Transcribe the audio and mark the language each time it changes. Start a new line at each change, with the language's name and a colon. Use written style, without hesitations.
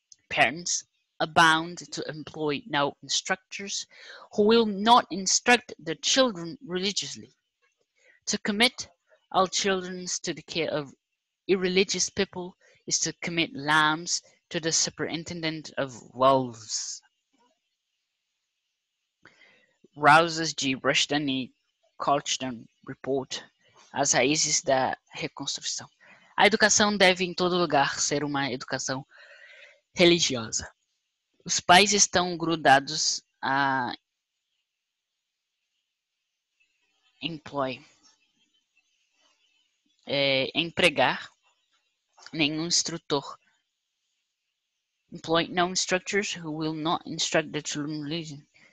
English: Parents are bound to employ no instructors who will not instruct their children religiously. To commit all children to the care of irreligious people is to commit lambs to the superintendent of wolves.
Portuguese: Rouses de Rushden e Colchton Report, as raízes da reconstrução. A educação deve em todo lugar ser uma educação religiosa. Os pais estão grudados a employ, empregar nenhum instrutor.
English: Employ no instructors who will not instruct the children religion.